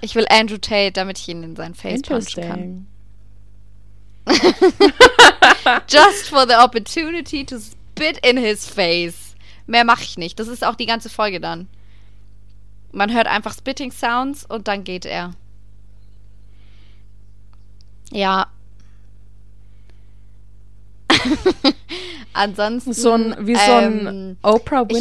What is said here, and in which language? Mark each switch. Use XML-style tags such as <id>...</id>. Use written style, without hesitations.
<de>Ich will Andrew Tate, damit ich ihn in sein Face punchen kann.</de> <en>Just for the opportunity to spit in his face.</en> <de>Mehr mache ich nicht. Das ist auch die ganze Folge dann. Man hört einfach</de> <en>spitting sounds</en> <de>und dann geht er. Ja. Ansonsten. So ein, wie so ein Oprah Winfrey.</de>